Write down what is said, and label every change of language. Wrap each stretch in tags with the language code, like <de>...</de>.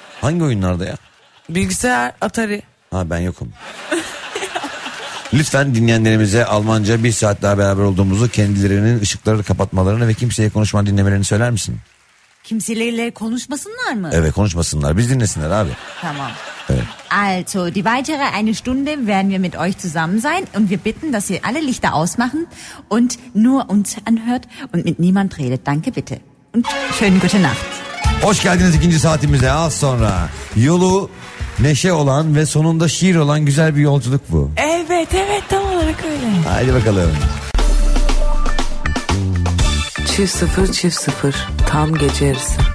<tr>Hangi oyunlarda ya? Bilgisayar, Atari. Ha ben yokum. Lütfen dinleyenlerimize Almanca bir saat daha beraber olduğumuzu, kendilerinin ışıkları kapatmalarını ve kimseye konuşma dinlemelerini söyler misin? Kimseyle konuşmasınlar mı? Evet konuşmasınlar. Biz dinlesinler abi. Tamam. Evet.</tr> <de>Also die weitere eine Stunde werden wir mit euch zusammen sein und wir bitten, dass ihr alle Lichter ausmachen und nur uns anhört und mit niemand redet. Danke bitte. Und schönen gute Nacht.</de> <tr>Hoş geldiniz ikinci saatimize. Az sonra yolu neşe olan ve sonunda şiir olan güzel bir yolculuk bu. Evet evet tam olarak öyle. Haydi bakalım. Çift sıfır çift sıfır tam gece yarısı.</tr>